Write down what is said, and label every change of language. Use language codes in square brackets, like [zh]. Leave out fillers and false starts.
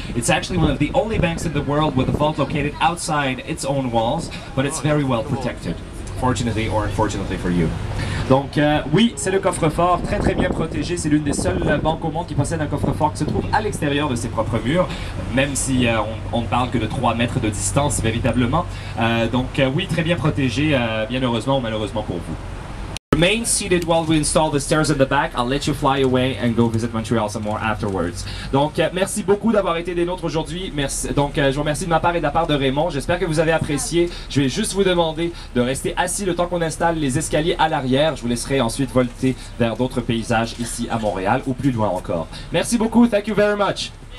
[en] It's actually one of the only banks in the world with a vault located outside its own walls, but it's very well protected, fortunately or unfortunately for you. [fr] Donc, oui, c'est le coffre-fort, très très bien protégé. C'est l'une des seules banques au monde qui possède un coffre-fort qui se trouve à l'extérieur de ses propres murs, même si on ne parle que de 3 mètres de distance, véritablement. Oui, très bien protégé, bien heureusement ou malheureusement pour vous. [en] Remain seated while we install the stairs in the back. I'll let you fly away and go visit Montreal some more afterwards. [fr] Donc, merci beaucoup d'avoir été des nôtres aujourd'hui. Donc, je vous remercie de ma part et de la part de Raymond. J'espère que vous avez apprécié. Je vais juste vous demander de rester assis le temps qu'on installe les escaliers à l'arrière. Je vous laisserai ensuite volter vers d'autres paysages ici à Montréal ou plus loin encore. Merci beaucoup. [en] Thank you very much.